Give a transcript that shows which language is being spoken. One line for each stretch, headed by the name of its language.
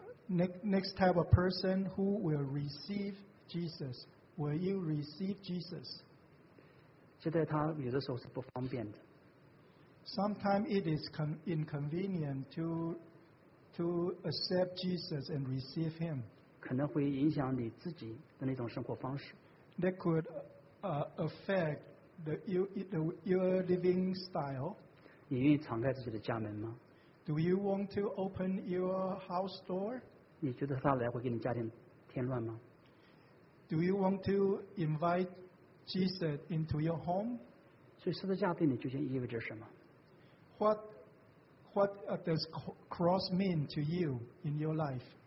English: Next type of person who will receive Jesus, will you receive Jesus?
Chinese: 接待他有的时候是不方便的。
English: Sometimes it is inconvenient to accept Jesus and receive him.
Chinese: 可能会影响你自己的那种生活方式。
English: That could affect your living style.
Chinese: 你愿意敞开自己的家门吗？
English: Do you want to open your house door?
Chinese: 你觉得他来会给你家庭添乱吗？
English: Do you want to invite Jesus into your home?
Chinese: 所以十字架对你究竟意味着什么？
English: What does cross mean to you in your life?